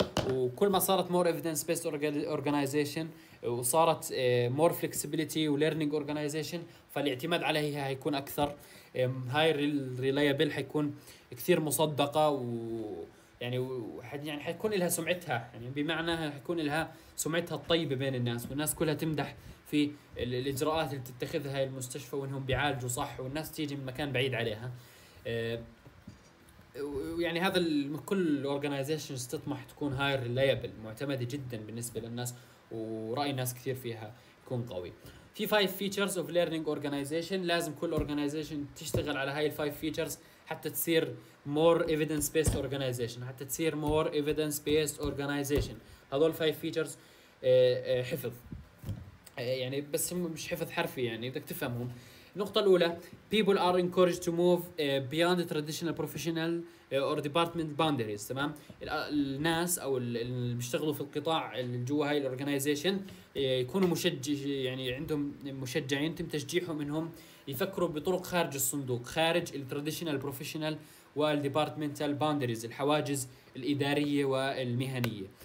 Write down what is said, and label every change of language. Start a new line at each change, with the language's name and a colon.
Arabic: وكل ما صارت
English: more evidence based organization
Arabic: وصارت
English: more flexibility
Arabic: و learning organization فالاعتماد عليها هيكون اكثر، هاي reliable هيكون كثير مصدقة يعني هيكون لها سمعتها، يعني بمعنى هيكون لها سمعتها الطيبة بين الناس والناس كلها تمدح في الاجراءات اللي تتخذها المستشفى وانهم بيعالجوا صح والناس تيجي من مكان بعيد عليها. يعني هذا كل organizations تطمح تكون هاي الريلايبل معتمدة جدا بالنسبة للناس ورأي ناس كثير فيها يكون قوي. في
English: 5 features of learning organization،
Arabic: لازم كل organization تشتغل على هاي 5 features حتى تصير
English: more evidence based organization،
Arabic: حتى تصير more evidence based organization. هذول 5 features حفظ يعني، بس مش حفظ حرفي يعني بدك تفهمهم. النقطة الأولى،
English: people are encouraged to move beyond the traditional professional or department boundaries تمام.
Arabic: الناس أو اللي بيشتغلوا في القطاع اللي جوا هاي الorganization يكونوا مشجع، يعني عندهم مشجعين تم تشجيعهم إنهم يفكروا بطرق خارج الصندوق، خارج الترديشنال بروفيشنال والديبارتمنتال باوندريز، الحواجز الإدارية والمهنية.